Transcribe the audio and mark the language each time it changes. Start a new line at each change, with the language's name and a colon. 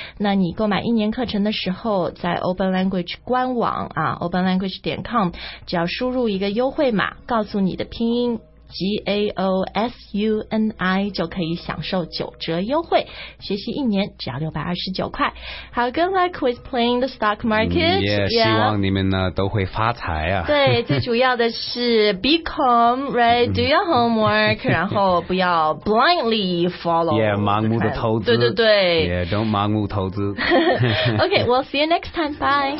Chinese: 那你购买一年课程的时候，在 Open Language 官网啊 ，openlanguage.com， 只要输入一个优惠码，告诉你的拼音 G A O S U N I， 就可以享受9折优惠，学习一年只要629块。
English: 好 ，Good luck with playing the stock market、嗯。 Yeah, yeah.
Chinese: 希望你们呢都会发财啊。对，最主要的是
English: be calm, right? Do your homework，
Chinese: 然后不要
English: blindly follow。
Chinese: Yeah， 盲目的投资。对对对。
English: Yeah， don't
Chinese: 盲目投资。
English: Okay, we'll see you next time. Bye.